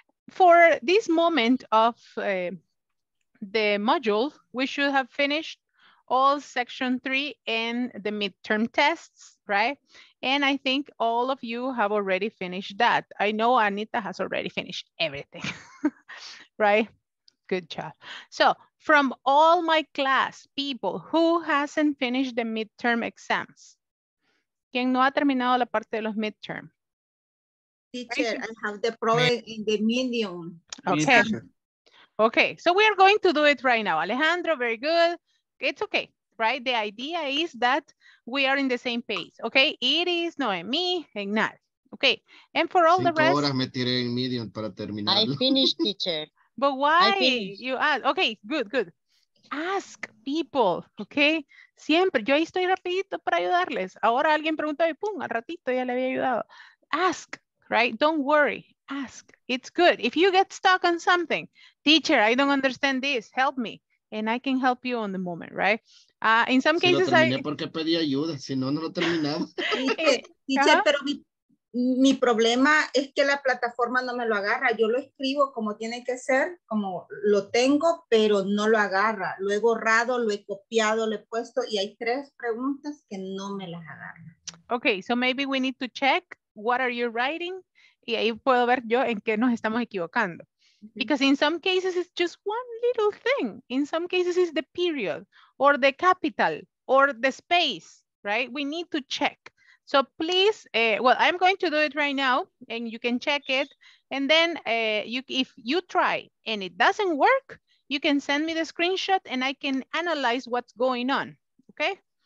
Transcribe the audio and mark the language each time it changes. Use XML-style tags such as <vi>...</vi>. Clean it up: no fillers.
<en>For this moment of the module, we should have finished all section 3 and the midterm tests, right? And I think all of you have already finished that. I know Anita has already finished everything, right? Good job. So from all my class people, who hasn't finished the midterm exams?</en> <es>¿Quién no ha terminado la parte de los midterm?</es> <en>Teacher, I have the problem in the medium. Okay. Okay, so we are going to do it right now. Alejandro, very good. It's okay, right? The idea is that we are in the same page, okay? It is Noemi, Ignat. Okay, and for all</en> <es>cinco</es> <en>the rest...</en> <es>horas me tiré en medium para terminarlo.</es> <en>I finished, teacher. But why? You ask. Okay, good, good. Ask people, okay?</en> <es>Siempre, yo ahí estoy rapidito para ayudarles. Ahora alguien preguntó y pum, al ratito ya le había ayudado.</es> <en>Ask, right? Don't worry. Ask. It's good. If you get stuck on something, teacher, I don't understand this. Help me. And I can help you on the moment, right? In some</en> <es>si</es> <en>cases,</en> <es>I... porque pedí ayuda. Si no, no lo terminaba.</es> <en>Teacher, uh-huh.</en> <es>Pero mi problema es que la plataforma no me lo agarra. Yo lo escribo como tiene que ser, como lo tengo, pero no lo agarra. Lo he borrado, lo he copiado, lo he puesto, y hay tres preguntas que no me las agarra.</es> <en>Okay, so maybe we need to check what are you writing?</en> <es>Y ahí puedo ver yo en qué nos estamos equivocando.</es> <en>Because in some cases it's just one little thing. In some cases it's the period or the capital or the space, right? We need to check. So please, well, I'm going to do it right now and you can check it. And then if you try and it doesn't work, you can send me the screenshot and I can analyze what's going on, okay?</en>